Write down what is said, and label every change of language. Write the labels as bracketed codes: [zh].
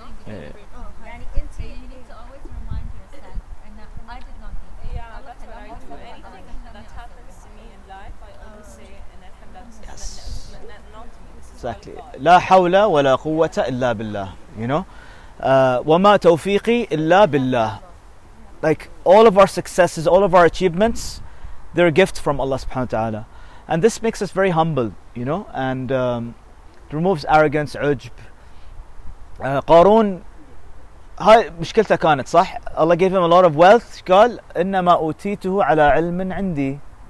[en] You need to always remind yourself, and I did not do. Yeah, that's what I do. Anything that happens to me in life, I always say, and alhamdulillah. Yes. Exactly. [ar] لا حول ولا قوة إلا بالله. [en] You know, [ar] وما توفيقي إلا بالله. [en] Like all of our successes, all of our achievements. They're a gift from Allah subhanahu wa ta'ala. And this makes us very humble, you know, and removes arrogance, ujb. [ar] Qarun, هاي مشكلته كانت, صح? [en] Allah gave him a lot of wealth. [ar] قال, إنما أوتيته على علم عندي.